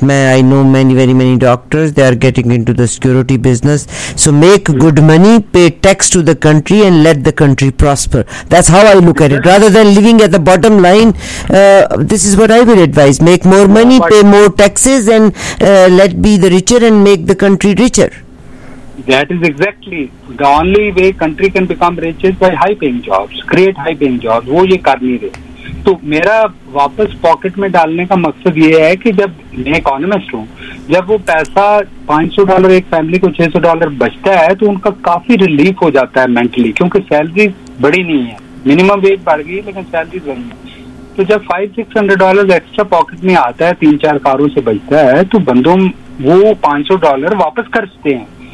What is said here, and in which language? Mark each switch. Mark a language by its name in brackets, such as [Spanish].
[English] मैं I know many very many doctors they are getting into the security business. So make good money pay tax to the country and let the country prosper. That's how I look at it rather than living at the bottom line. This is what I will advise make more money pay more taxes and let be the richer and make the country richer. That is exactly the only way country can become rich is by high paying jobs, create high paying jobs. [Hindi] वो ये कर नहीं रहे. तो मेरा वापस pocket में डालने का मकसद ये है कि जब मैं इकोनॉमिस्ट हूँ जब वो पैसा $500 एक फैमिली को $600 बचता है तो उनका काफी रिलीफ हो जाता है मेंटली क्योंकि सैलरी बड़ी नहीं है. मिनिमम वेज बढ़ गई लेकिन सैलरी बढ़ी है. तो जब $500-600 एक्स्ट्रा पॉकेट में आता है 3-4 cars से बचता है तो बंदों वो $500 वापस खर्चते हैं.